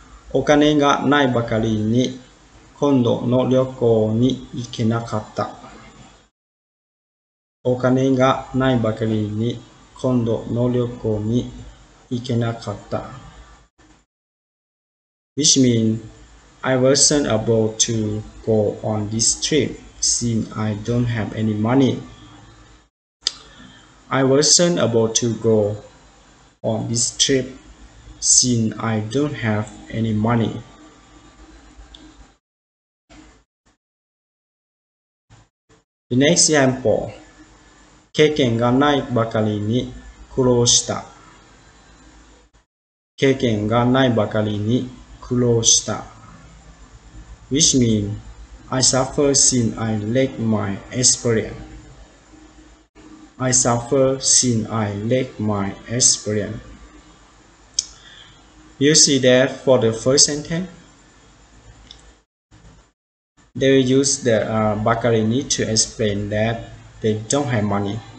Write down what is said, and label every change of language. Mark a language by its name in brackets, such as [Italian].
[Japanese] お金がないばかりに今度の旅行に行けなかった。お金がないばかりに今度の旅行に行けなかった。 [English] Which means I wasn't able to go on this trip since I don't have any money. I wasn't able to go on this trip since I don't have any money. The next example, [Japanese] 経験がないばかりに苦労した。経験がないばかりに苦労した。 [English] Which means I suffer since I lack my experience. I suffer since I lack my experience. You see that for the first sentence, they will use the Bakarini to explain that they don't have money.